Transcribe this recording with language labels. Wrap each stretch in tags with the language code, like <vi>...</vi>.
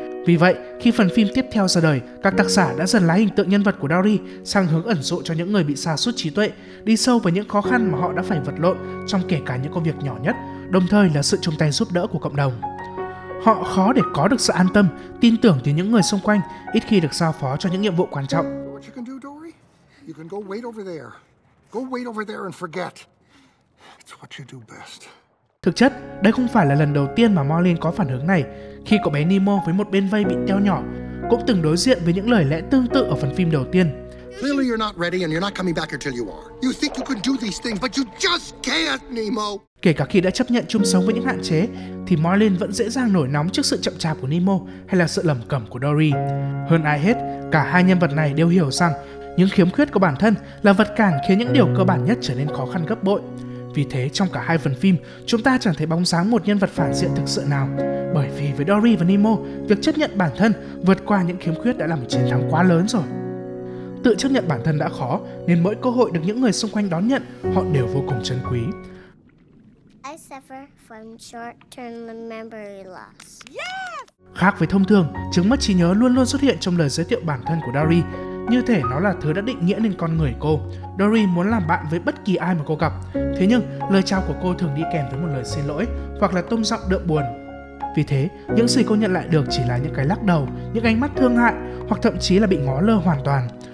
<vi>Vì vậy, khi phần phim tiếp theo ra đời, các tác giả đã dần lái hình tượng nhân vật của Dory sang hướng ẩn dụ cho những người bị sa sút trí tuệ, đi sâu vào những khó khăn mà họ đã phải vật lộn trong kể cả những công việc nhỏ nhất, đồng thời là sự chung tay giúp đỡ của cộng đồng. Họ khó để có được sự an tâm, tin tưởng từ những người xung quanh, ít khi được giao phó cho những nhiệm vụ quan trọng.</vi> <en>What you can do, Dory? You can go wait over there. Go wait over there and forget. It's what you do best.</en> <vi>Thực chất, đây không phải là lần đầu tiên mà Marlin có phản ứng này, khi cậu bé Nemo với một bên vây bị teo nhỏ, cũng từng đối diện với những lời lẽ tương tự ở phần phim đầu tiên.</vi> <en>Clearly you're not ready and you're not coming back until you are. You think you can do these things, but you just can't, Nemo.</en> <vi>Kể cả khi đã chấp nhận chung sống với những hạn chế, thì Marlin vẫn dễ dàng nổi nóng trước sự chậm chạp của Nemo hay là sự lẩm cẩm của Dory. Hơn ai hết, cả hai nhân vật này đều hiểu rằng những khiếm khuyết của bản thân là vật cản khiến những điều cơ bản nhất trở nên khó khăn gấp bội. Vì thế, trong cả hai phần phim, chúng ta chẳng thấy bóng dáng một nhân vật phản diện thực sự nào. Bởi vì với Dory và Nemo, việc chấp nhận bản thân vượt qua những khiếm khuyết đã là một chiến thắng quá lớn rồi. Tự chấp nhận bản thân đã khó, nên mỗi cơ hội được những người xung quanh đón nhận, họ đều vô cùng trân quý.</vi> <en>I suffer from short-term memory loss. Yeah!</en> <vi>Khác với thông thường, chứng mất trí nhớ luôn luôn xuất hiện trong lời giới thiệu bản thân của Dory. Như thể nó là thứ đã định nghĩa nên con người cô. Dory muốn làm bạn với bất kỳ ai mà cô gặp. Thế nhưng, lời chào của cô thường đi kèm với một lời xin lỗi hoặc là tông giọng đượm buồn. Vì thế, những gì cô nhận lại được chỉ là những cái lắc đầu, những ánh mắt thương hại hoặc thậm chí là bị ngó lơ hoàn toàn.</vi>